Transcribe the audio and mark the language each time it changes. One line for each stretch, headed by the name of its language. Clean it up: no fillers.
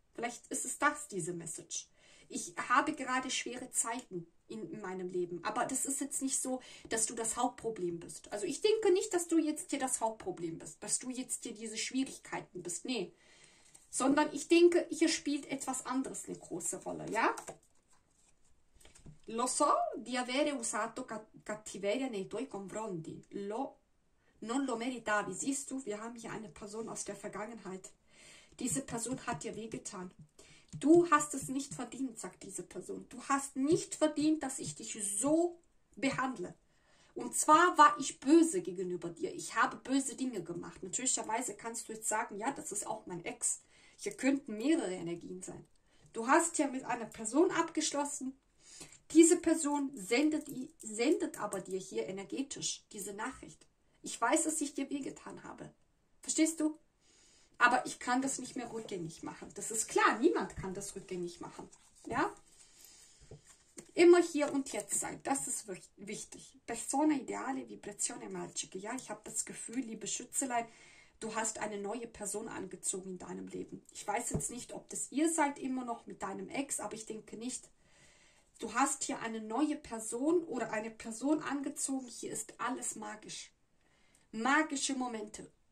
German: Vielleicht ist es das, diese Message. Ich habe gerade schwere Zeiten in meinem Leben. Aber das ist jetzt nicht so, dass du das Hauptproblem bist. Also ich denke nicht, dass du jetzt hier das Hauptproblem bist. Dass du jetzt hier diese Schwierigkeiten bist. Nee. Sondern ich denke, hier spielt etwas anderes eine große Rolle. Ja?
Italian: Lo so di avere usato cattiveria nei tuoi confronti. Lo non lo meritavi.
German: Siehst du, wir haben hier eine Person aus der Vergangenheit. Diese Person hat dir wehgetan. Du hast es nicht verdient, sagt diese Person. Du hast nicht verdient, dass ich dich so behandle. Und zwar war ich böse gegenüber dir. Ich habe böse Dinge gemacht. Natürlicherweise kannst du jetzt sagen, ja, das ist auch mein Ex. Hier könnten mehrere Energien sein. Du hast ja mit einer Person abgeschlossen. Diese Person sendet aber dir hier energetisch diese Nachricht. Ich weiß, dass ich dir wehgetan habe. Verstehst du? Aber ich kann das nicht mehr rückgängig machen. Das ist klar, niemand kann das rückgängig machen. Ja? Immer hier und jetzt sein, das ist wichtig.
Italian: Persona ideale, vibrazione magica.
German: Ja, ich habe das Gefühl, liebe Schützelein, du hast eine neue Person angezogen in deinem Leben. Ich weiß jetzt nicht, ob das ihr seid immer noch mit deinem Ex, aber ich denke nicht. Du hast hier eine neue Person oder eine Person angezogen. Hier ist alles magisch. Magische Momente.